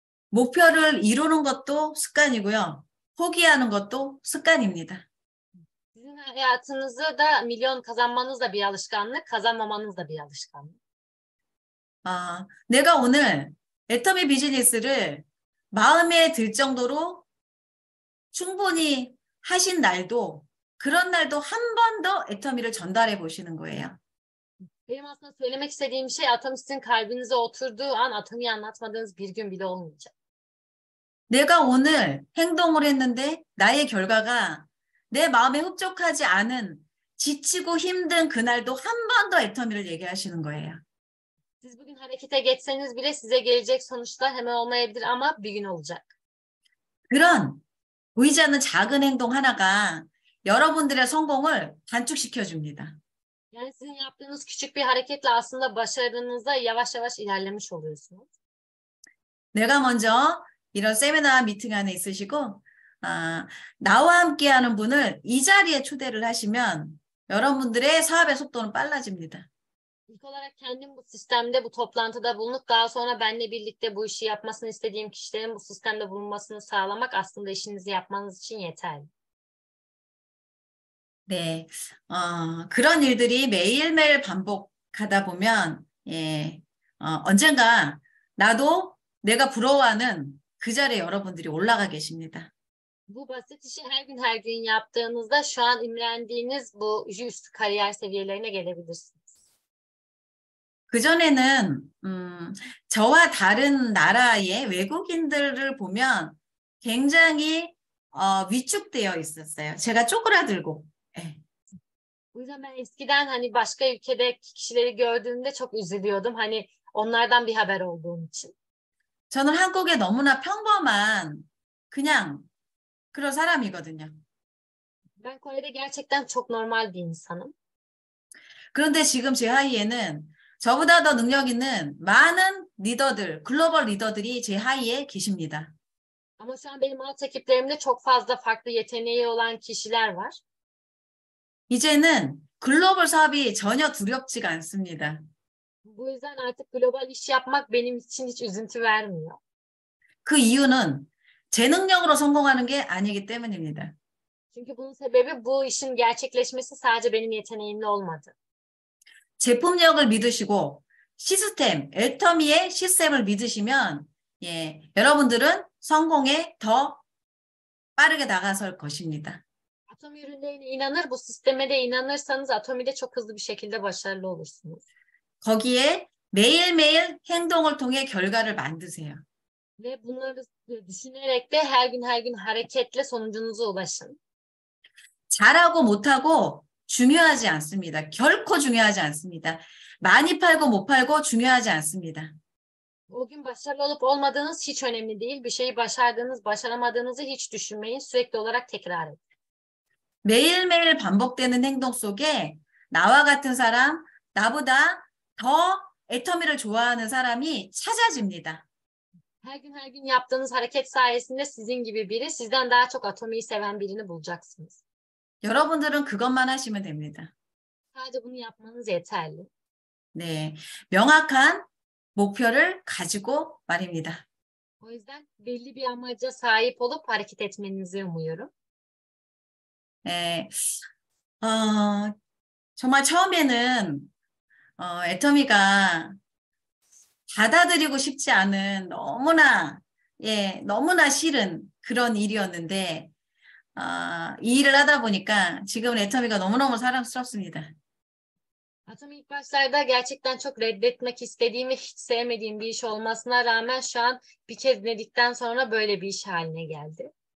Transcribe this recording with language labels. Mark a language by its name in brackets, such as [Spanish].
[Korean] 목표를 이루는 것도 습관이고요. 포기하는 것도 습관입니다. [Turkish] Sizin hayatınızı da milyon kazanmanız da bir alışkanlık, kazanmamanız da bir alışkanlık. [Korean] 내가 오늘 애터미 비즈니스를 마음에 들 정도로 충분히 하신 날도 그런 날도 한번더 애터미를 전달해 보시는 거예요. [Turkish] Benim aslında söylemek istediğim şey Atom sizin kalbinize oturduğu an Atom'u anlatmadığınız bir gün bile olmayacak. [Korean] 내가 오늘 행동을 했는데 나의 결과가 내 마음에 흡족하지 않은 지치고 힘든 그날도 한번더 애터미를 얘기하시는 거예요. [Turkish] Siz bugün harekete geçseniz bile size gelecek sonuçlar hemen olmayabilir ama bir gün olacak. [Korean] 그런 보이지 않는 작은 행동 하나가 여러분들의 성공을 단축시켜 줍니다. 예, 지금 [Turkish] yaptığınız küçük bir hareketle aslında başarınıza yavaş yavaş ilerlemiş oluyorsunuz. [Korean] 내가 먼저 이런 세미나 미팅 안에 있으시고 나와 함께하는 분을 이 자리에 초대를 하시면 여러분들의 사업의 속도는 빨라집니다. [Turkish] İlk olarak kendim bu sistemde bu toplantıda bulunup daha sonra benimle birlikte bu işi yapmasını istediğim kişilerin bu sistemde bulunmasını sağlamak aslında işinizi yapmanız için yeterli. [Korean] 네, 그런 일들이 매일매일 반복하다 보면 언젠가 나도 내가 부러워하는 그 자리에 여러분들이 올라가 계십니다. 뭐 [Turkish] basit işi her gün her gün yaptığınızda şu an imrendiğiniz bu üst kariyer seviyelerine gelebilirsiniz. [Korean] 그전에는 저와 다른 나라의 외국인들을 보면 굉장히 위축되어 있었어요. 제가 쪼그라들고. [Turkish] O yüzden ben eskiden hani başka ülkedeki kişileri gördüğümde çok üzülüyordum. Hani onlardan bir haber olduğum için. [Korean] 저는 한국에 너무나 평범한 그냥 그런 사람이거든요. [Turkish] Ben Kore'de gerçekten çok normal bir insanım. [Korean] 그런데 지금 제 하위에는 저보다 더 능력 있는 많은 리더들, 글로벌 리더들이 제 하위에 계십니다. [Turkish] Ama şu an benim alt ekiplerimde çok fazla farklı yeteneği olan kişiler var. [Korean] 이제는 글로벌 사업이 전혀 두렵지가 않습니다. 뭐 일단 [Turkish] artık global iş yapmak benim için hiç üzüntü vermiyor. [Korean] 그 이유는 제 능력으로 성공하는 게 아니기 때문입니다. [Turkish] Çünkü bunun sebebi bu işin gerçekleşmesi sadece benim yeteneğimle olmadı. [Korean] 제품력을 믿으시고 시스템, 애터미의 시스템을 믿으시면 여러분들은 성공에 더 빠르게 나가설 것입니다. [Turkish] Atom ürünlerine inanır, bu sisteme de inanırsanız Atomi'de çok hızlı bir şekilde başarılı olursunuz. [Korean] 거기에 매일매일 행동을 통해 결과를 만드세요. [Turkish] Ve bunları düşünerek de her gün her gün hareketle sonucunuza ulaşın. [Korean] 잘하고 못하고 중요하지 않습니다. 결코 중요하지 않습니다. 많이 팔고 못 팔고 중요하지 않습니다. [Turkish] O gün başarılı olup olmadığınız hiç önemli değil. Bir şeyi başardığınız, başaramadığınızı hiç düşünmeyin. Sürekli olarak tekrar edin. [Korean] 매일매일 반복되는 행동 속에 나와 같은 사람, 나보다 더 애터미를 좋아하는 사람이 찾아집니다. [Turkish] her gün her gün yaptığınız hareket sayesinde sizin gibi biri, sizden daha çok atomiyi seven birini bulacaksınız. [Korean] 여러분들은 그것만 하시면 됩니다. 사실 [Turkish] bunu yapmanız yeterli. [Korean] 네, 명확한 목표를 가지고 말입니다. [Turkish] O yüzden belli bir amaca sahip olup hareket etmenizi umuyorum. [Korean] 네, 정말 처음에는 애터미가 받아들이고 싶지 않은 너무나 너무나 싫은 그런 일이었는데 이 일을 하다 보니까 지금 애터미가 너무너무 사랑스럽습니다. 아톰이 [Turkish] ilk başlarda gerçekten çok reddetmek istediğim ve hiç sevmediğim bir iş olmasına rağmen şu an bir kez denedikten sonra böyle bir iş haline geldi.